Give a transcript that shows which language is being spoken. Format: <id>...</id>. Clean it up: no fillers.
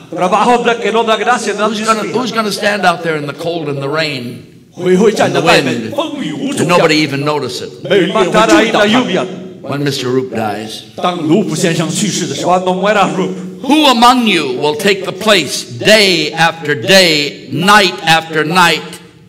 <en>Who's going to stand out there in the cold and the rain? And the wind, and nobody even notices it.</en> <zh>没有一个人会注意到他们.</zh> <en>When Mr. Roop dies,</en> <zh>当卢普先生去世的时候,</zh> <en>who among you will take the place day after day, night after night?</en>